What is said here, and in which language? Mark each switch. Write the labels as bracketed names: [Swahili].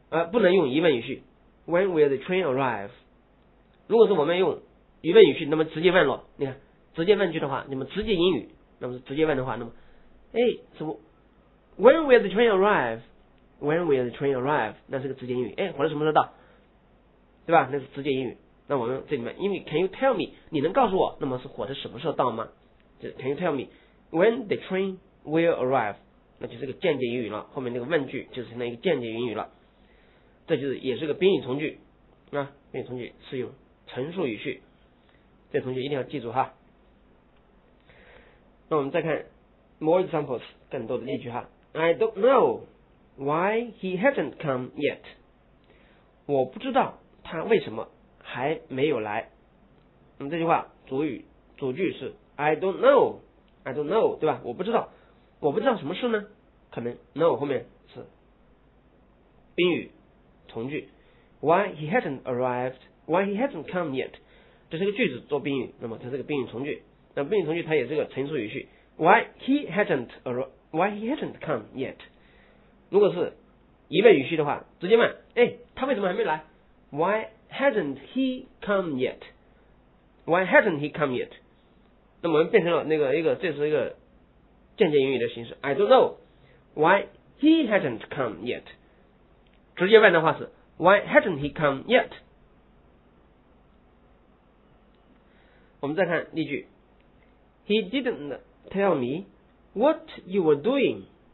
[Chinese] 不能用疑问语序， When will the train arrive？ 如果是我们用疑问语序，那么直接问了，你看直接问句的话，那么直接引语，那么直接问的话，那么哎，什么 ？ [English] When will the train arrive? When will the train arrive? [Chinese] 那是个直接英语。哎，火车什么时候到？对吧？那是直接英语。那我们这里面，因为 [English] Can you tell me? [Chinese] 你能告诉我，那么是火车什么时候到吗？ [English] 就是 Can you tell me when the train will arrive? [Chinese] 那就是个间接英语了。后面那个问句就是成了一个间接英语了。这就是也是个宾语从句。那宾语从句是用陈述语序。这同学一定要记住哈。那我们再看。 [English] More examples， [Chinese] 更多的例句哈。 [English] I don't know why he hasn't come yet。 [Chinese] 我不知道他为什么还没有来。那么这句话主语主句是 [English] I don't know， [Chinese] 对吧？我不知道什么事呢？可能 know 后面是宾语从句。 [English] Why he hasn't come yet， [Chinese] 这是个句子做宾语，那么它是个宾语从句。那宾语从句它也是个陈述语序。 [English] Why he hasn't come yet? [Chinese] 如果是疑问语序的话，直接问，哎，他为什么还没来 ？ [English] Why hasn't he come yet? [Chinese] 那么变成了那个一个，这是一个间接英语的形式。 [English] I don't know why he hasn't come yet. [Chinese] 直接问的话是 [English] Why hasn't he come yet? [Chinese] 我们再看例句 [English] He didn't tell me what you were doing.